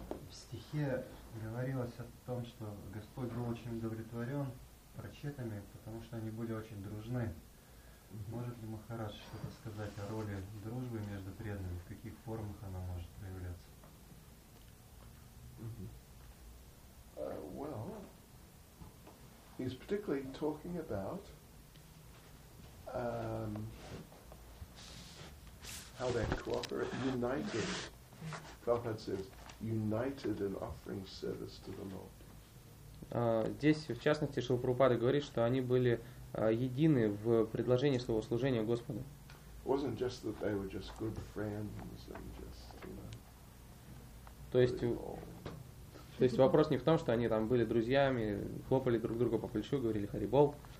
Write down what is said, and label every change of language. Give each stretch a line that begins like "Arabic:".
Russian: В стихе говорилось о том, что Господь был очень удовлетворен прочитаны, потому что они были очень дружны. Может ли Махарадж что-то сказать о роли дружбы между преданными, в каких формах она может проявляться?
English: Well, he's particularly talking about how they cooperate, united. Prabhupada says, united in offering service to the Lord.
Russian: Здесь, в частности, Шрила Прабхупада говорит, что они были едины в предложении своего служения Господу. То есть вопрос не в том, что они там были друзьями, хлопали друг друга по плечу, говорили «Харибол».